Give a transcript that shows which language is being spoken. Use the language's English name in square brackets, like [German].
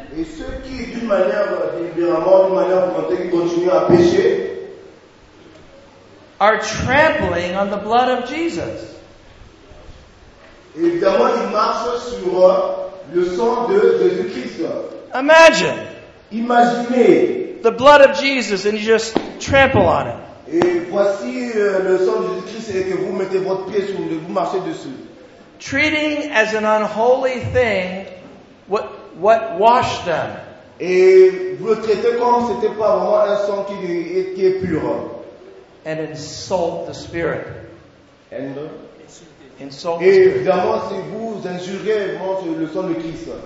[French] et ceux qui, d'une manière délibérément, d'une manière volontaire, continuent à pécher, [English] are trampling on the blood of Jesus. [French] Et évidemment, ils marchent sur le sang de Jésus-Christ. [English] Imagine. [French] Imaginez. [English] The blood of Jesus, and you just trample on it. [French] Et voici le sang de Jésus-Christ et que vous mettez votre pied sur le, vous marchez dessus. [English] Treating as an unholy thing what washed them. [French] Et vous le traitez comme c'était pas vraiment un sang qui est pur. [English] And insult the Spirit. And insult the Spirit. [French] Et évidemment, si vous injurez le sang de Christ.